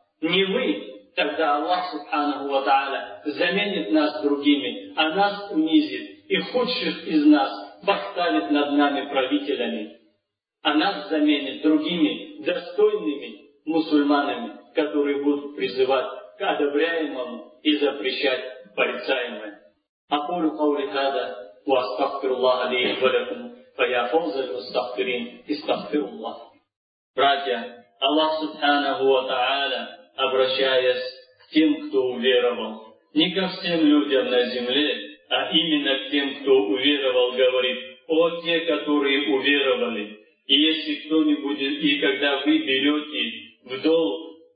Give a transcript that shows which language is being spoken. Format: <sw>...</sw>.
<ru>Не мы, тогда Аллах Субханаху ва Тааля заменит нас другими, а нас унизит и худших из нас поставит над нами правителями. А нас заменит другими достойными мусульманами, которые будут призывать к одобряемому и запрещать порицаемое.</ru> <ar>Акулю каули хаза ва астагфируллаха ли ва лакум. فيقول للمستغفرين استغفر الله.</ar> <ru>Братья, Аллах Субханаху ва Тааля, обращаясь к тем, кто уверовал, не ко всем людям на земле, а именно к тем, кто уверовал, говорит: «О те, которые уверовали, и если кто-нибудь, и когда вы берете в долг</ru>